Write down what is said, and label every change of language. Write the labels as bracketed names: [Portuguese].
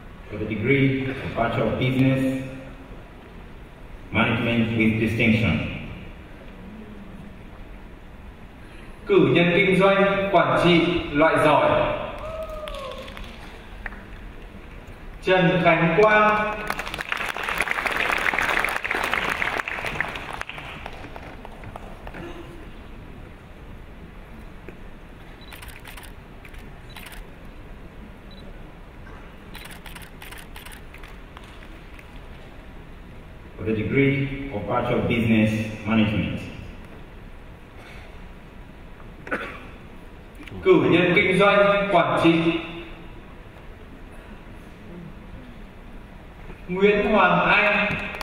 [English] For the degree of Bachelor of Business Management with Distinction. [Vietnamese] Cử nhân kinh doanh quản trị loại giỏi. Trần Khánh Quang. [English] For the degree of Bachelor of Business Management. [Vietnamese] Cử nhân kinh doanh quản trị Nguyễn Hoàng Anh.